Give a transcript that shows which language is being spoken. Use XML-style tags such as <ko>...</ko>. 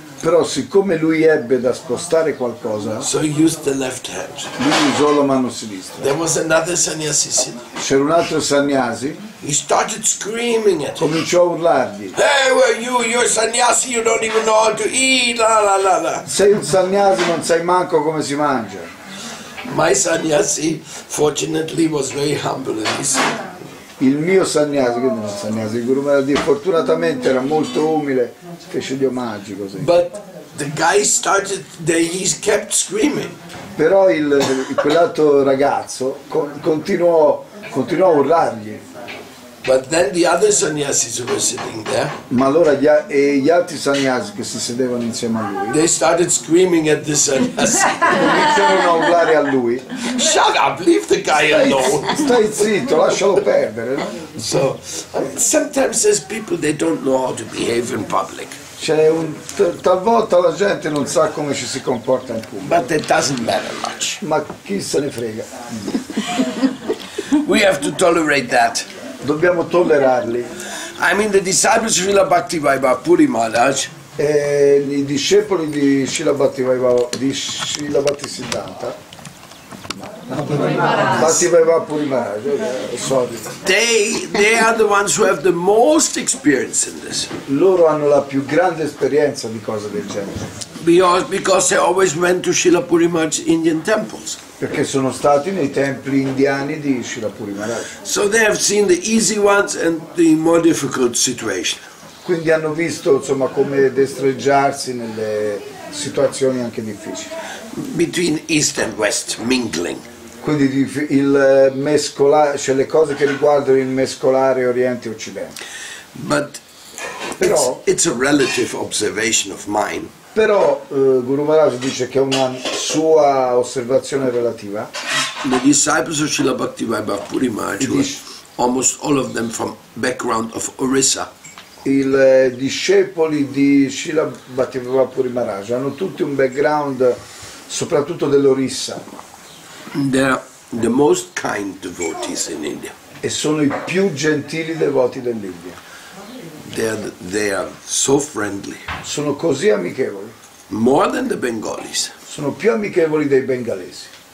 <it>Però siccome lui ebbe da spostare qualcosa.</it> <en>So he used the left hand.</en> <it>Lui usò la mano sinistra.</it> <en>There was another sannyasi sitting.</en> <it>C'era un altro sannyasi.</it> <en>He started screaming at.</en> <it>Cominciò a urlargli.</it> <en>Hey, well, you're a sannyasi, you don't even know how to eat. La la la la.</en> <it>Sei un sannyasi, non sai manco come si mangia.</it> <en>My sannyasi, fortunately, was very humble.</en> <it>Il mio sannyasi, quindi non sannyasi, il Guru Maharaj, fortunatamente era molto umile, fece gli omaggi così.</it> <en>But the guy started, he kept screaming.</en> <it>Però quell'altro ragazzo continuò a urlargli.</it> <en>But then the other sannyasis were sitting there.</en> <it>Ma allora gli altri sannyasi che si sedevano insieme a lui.</it> <en>They started screaming at the sannyasi.</en> <it>Cominciarono a urlare a lui.</it> <en>Shut up, leave the guy alone.</en> <it>Stai zitto, lascialo perdere.</it> <en>No? So, sometimes there's people they don't know how to behave in public.</en> <it>C'è un talvolta la gente non sa come ci si comporta in pubblico.</it> <en>But it doesn't matter much.</en> <it>Ma chi se ne frega.</it> <en>We have to tolerate that.</en> <it>Dobbiamo tollerarli.</it> <en>I mean the disciples of Srila Bhakti Vaibhava Puri Maharaj.</en> <it>I discepoli di Srila Bhakti Vaibhava di Srila Bhaktisiddhanta.</it> <en>Bhakti Vaibhava Puri Maharaj. Sorry. They are the ones who have the most experience in this.</en> <it>Loro hanno la più grande esperienza di cose del genere.</it> <en>Because they always went to Srila Puri Maharaj's Indian temples.</en> <it>Perché sono stati nei templi indiani di Srila Puri Maharaj.</it> <en>So they have seen the easy ones and the more difficult situation.</en> <it>Quindi hanno visto insomma come destreggiarsi nelle situazioni anche difficili.</it> <en>Between East and West, mingling.</en> <it>quindi il mescolare, cioè le cose che riguardano il mescolare Oriente e Occidente.</it> <en>But</en> <it>però</it> <en>it's a relative observation of mine.</en> <it>Però Guru Maharaj dice che è una sua osservazione relativa.</it> <en>The disciples of Srila Bhaktivedanta Purimajula, almost all of them from background of Orissa.</en> <it>I discepoli di Srila Bhaktivedanta Purimajula hanno tutti un background soprattutto dell'Orissa.</it> <en>They're the most kind devotees in India.</en> <it>E sono i più gentili devoti dell'India.</it> <en>They are so friendly.</en> <it>Sono così amichevoli.</it> <en>More than the Bengalis.</en> <it>Sono più amichevoli dei bengalesi.</it>